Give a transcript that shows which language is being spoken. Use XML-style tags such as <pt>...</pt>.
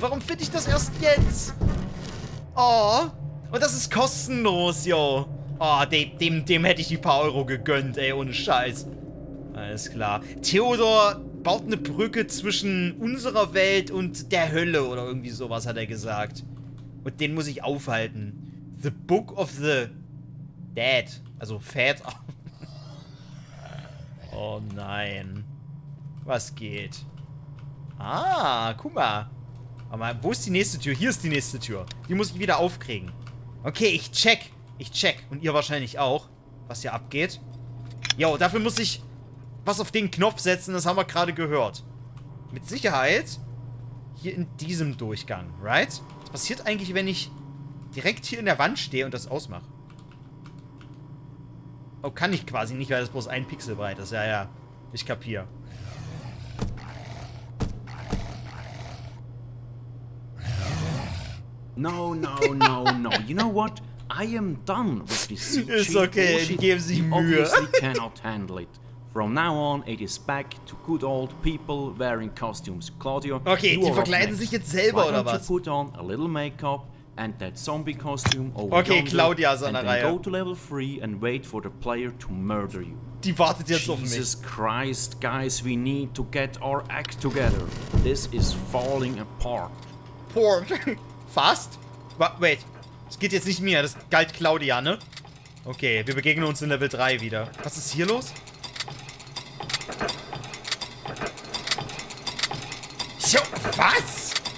<de>Warum finde ich das erst jetzt? Oh, und das ist kostenlos, yo. Oh, dem hätte ich die paar Euro gegönnt, ey, ohne Scheiß. Alles klar. Theodor baut eine Brücke zwischen unserer Welt und der Hölle oder irgendwie sowas, hat er gesagt. Und den muss ich aufhalten.</de> <en>The Book of the Dad,</en> <de>also</de> <en>Fat.</en> <de>Oh nein. Was geht? Ah, guck mal. Aber wo ist die nächste Tür? Hier ist die nächste Tür. Die muss ich wieder aufkriegen. Okay, ich check. Ich check. Und ihr wahrscheinlich auch, was hier abgeht. Jo, dafür muss ich was auf den Knopf setzen. Das haben wir gerade gehört. Mit Sicherheit hier in diesem Durchgang,</de> <en>right?</en> <de>Was passiert eigentlich, wenn ich direkt hier in der Wand stehe und das ausmache. Oh, kann ich quasi nicht, weil das bloß ein Pixel breit ist. Ja, ja. Ich kapier.</de> <en>No, no, no, no. You know what? I am done with this.</en> <de>Ist okay, geben Sie Mühe.</de> <en>Obviously cannot handle it. From now on, it is back to good old people wearing costumes.</en> <de>Claudio, okay, die verkleiden sich jetzt selber oder was?</de> <en>Put on a little makeup and that zombie costume over.</en> <de>Okay, Claudia ist an der Reihe.</de> <en>Go to level 3 and wait for the player to murder you.</en> <de>Die wartet jetzt</de> <en>Jesus</en> <de>auf mich.</de> <en>Jesus Christ, guys, we need to get our act together. This is falling apart. Port. Fast? Wait.</en> <de>Das geht jetzt nicht mehr. Das galt Claudia, ne? Okay, wir begegnen uns in Level 3 wieder. Was ist hier los? Jo, was?</de>